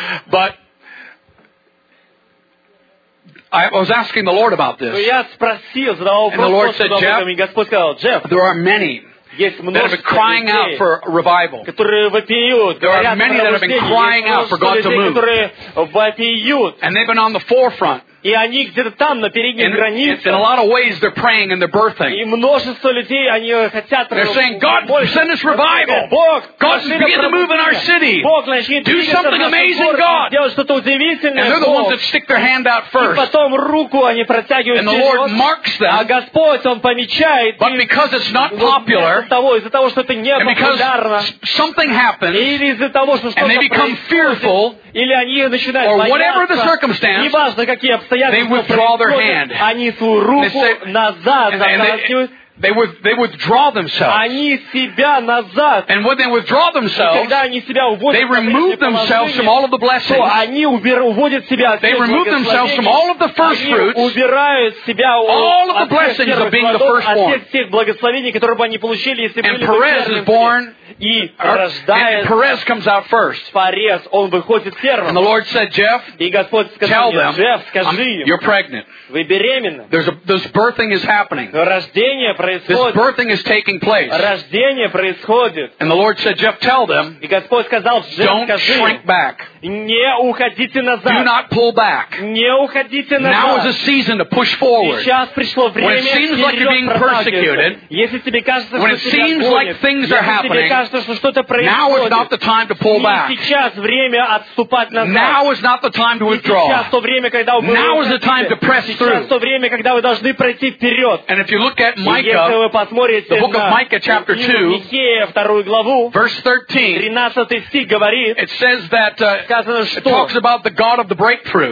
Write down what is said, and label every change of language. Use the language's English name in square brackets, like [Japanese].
[English] But I was asking the Lord about this. And the Lord said, Jeff, there are many that have been crying out for revival. There are many that have been crying out for God to move. And they've been on the forefront. [Russian] И они где-то там, на передней границе. [English] In a lot of ways, they're praying and they're birthing. [Russian] И множество людей, они хотят... [English] They're saying, God, send us revival. [Russian] Бог, [English] God, begin to move in our city. [Russian] Бог, начни [English] do something amazing, God. [Russian] Сделать что-то удивительное, [English] and they're the ones that stick their hand out first. [Russian] И потом руку они протягивают [English] and the Lord marks them. [Russian] А Господь, Он помечает. [English] But because it's not popular, [Russian] из-за того, что это не [English] and because [Russian] популярно, [English] something happens, [Russian] или из-за того, что [English] and they become fearful, [Russian] или они начинают [English] or [Russian] бояться, [English] whatever the circumstance, [Russian] неважно, какие [English] they withdraw their hand. [Russian] Они свою руку назад затаскивают. [English] They withdraw themselves. [Russian] Они себя назад. [English] And when they withdraw themselves, [Russian] когда они себя уводят, [English] they remove themselves from all of the blessings. [Russian] Они уводят себя. [English] They remove themselves from all of the first fruits. [Russian] Убирают себя. [English] All of the blessings of being the firstborn. [Russian] От всех благословений, которые бы они получили, если бы [English] And Perez is born. [Russian] И рождается. [English] And Perez comes out first. [Russian] Перес, он выходит первым. [English] And the Lord said, Jeff, [Russian] и Господь сказал, [English] tell them, [Russian] Джефф, скажи им, [English] you're pregnant. [Russian] Вы беременны. [English] There's a, this birthing is happening. [Russian] Рождение происходит. происходит. [English] This birthing is taking place. [Russian] Рождение происходит. [English] And the Lord said, Jeff, tell them. [Russian] И Господь сказал, Джефф, [English] don't [Russian] скажи, [English] shrink back. [Russian] Не уходите назад. [English] Do not pull back. [Russian] Не уходите назад. [English] Now is a season to push forward. [Russian] Сейчас пришло время. [English] When it seems like you're being persecuted, [Russian] если тебе кажется, [English] when it seems like things are happening, now is not the time to pull back. [Russian] Сейчас время отступать назад. [English] Now is not the time to withdraw. [Russian] Сейчас то время, когда вы [English] Now is the time to press through. [Russian] Сейчас то время, когда вы должны пройти вперед. [English] And if you look at Micah, the book of Micah chapter 2, verse 13, it says that it talks about the God of the breakthrough.